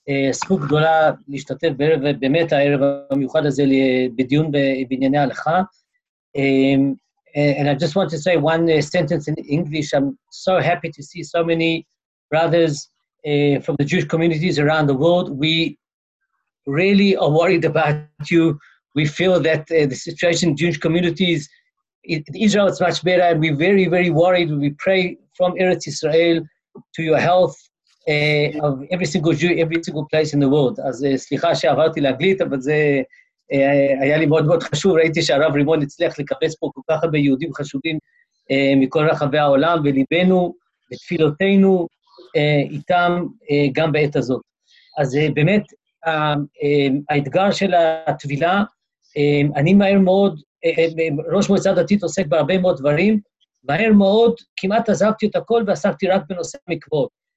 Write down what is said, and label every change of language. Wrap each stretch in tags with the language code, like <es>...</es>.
<he>זכות גדולה להשתתף בערב, באמת הערב המיוחד הזה בדיון בענייני הלכה.</he> <en>And I just want to say one sentence in English. I'm so happy to see so many brothers from the Jewish communities around the world. We really are worried about you. We feel that the situation in Jewish communities, Israel is much better, and we're very, very worried. We pray from Eretz Israel to your health of every single Jew, every single place in the world.</en> <he>אז סליחה שעברתי לאנגלית, אבל זה היה לי מאוד מאוד חשוב. ראיתי שהרב רימון הצליח לקבץ פה כל כך הרבה יהודים חשובים מכל רחבי העולם, וליבנו ותפילותינו איתם גם בעת הזאת. אז באמת, האתגר של התבילה, אני מהר מאוד, ראש מועצה דתית עוסק בהרבה מאוד דברים, מהר מאוד כמעט עזבתי את הכל ועסקתי רק בנושא המקוואות.</he>